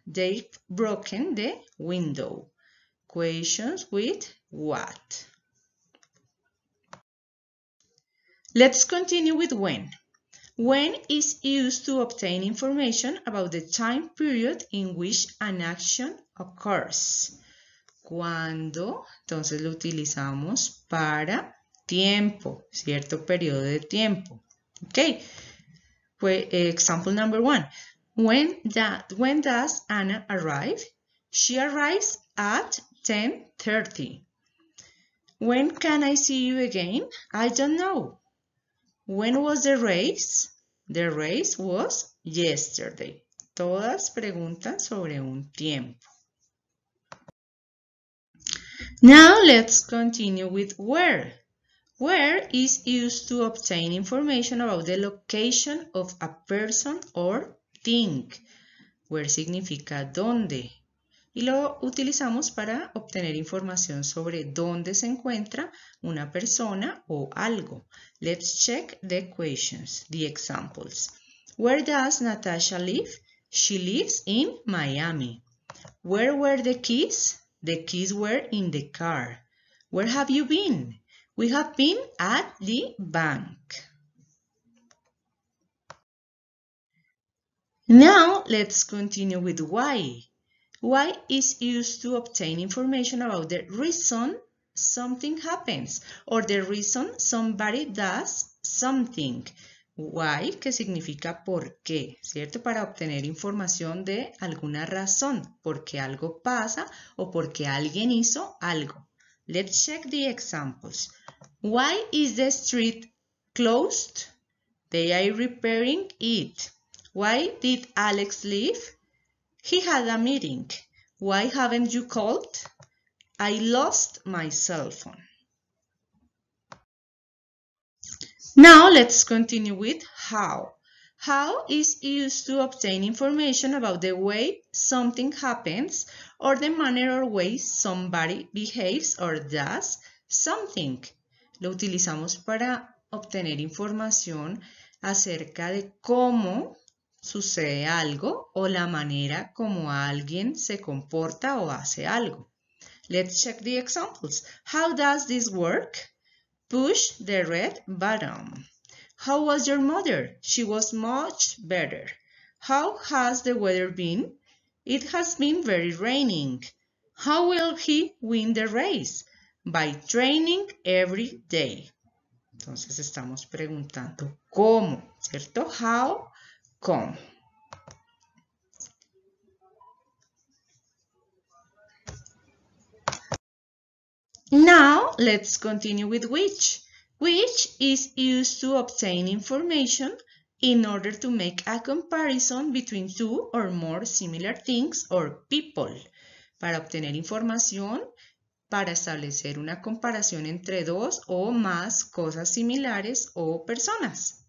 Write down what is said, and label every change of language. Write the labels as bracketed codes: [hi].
[en] They've broken the window. Questions with what? Let's continue with when. When is used to obtain information about the time period in which an action occurs. [es] Cuando, entonces lo utilizamos para tiempo, cierto periodo de tiempo. [en] Okay. Example number one. When does Anna arrive? She arrives at 10:30. When can I see you again? I don't know. When was the race? The race was yesterday. [es] Todas preguntan sobre un tiempo. [en] Now let's continue with where. Where is used to obtain information about the location of a person or thing. [es] Where significa dónde. Y lo utilizamos para obtener información sobre dónde se encuentra una persona o algo. [en] Let's check the questions, the examples. Where does Natasha live? She lives in Miami. Where were the keys? The keys were in the car. Where have you been? We have been at the bank. Now, let's continue with why. Why is used to obtain information about the reason something happens, or the reason somebody does something. [es] Why, que significa por qué, ¿cierto? Para obtener información de alguna razón, porque algo pasa o porque alguien hizo algo. [en] Let's check the examples. Why is the street closed? They are repairing it. Why did Alex leave? He had a meeting. Why haven't you called? I lost my cell phone. Now let's continue with how. How is used to obtain information about the way something happens or the manner or way somebody behaves or does something. Lo utilizamos para obtener información acerca de cómo sucede algo o la manera como alguien se comporta o hace algo. Let's check the examples. How does this work? Push the red button. How was your mother? She was much better. How has the weather been? It has been very raining. How will he win the race? By training every day. [es] Entonces estamos preguntando cómo, ¿cierto? How, cómo. [en] Now, let's continue with which. Which is used to obtain information in order to make a comparison between two or more similar things or people. [es] Para obtener información, para establecer una comparación entre dos o más cosas similares o personas.